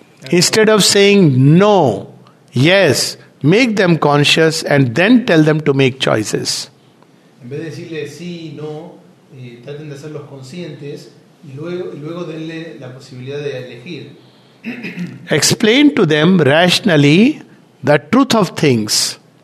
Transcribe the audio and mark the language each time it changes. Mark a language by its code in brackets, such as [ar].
[en] Instead of saying no, yes, make them conscious and then tell them to make choices. [es] En vez de decirle sí y no, traten de hacerlos conscientes y luego denle la posibilidad de elegir. [en] Explain to them rationally the truth of things.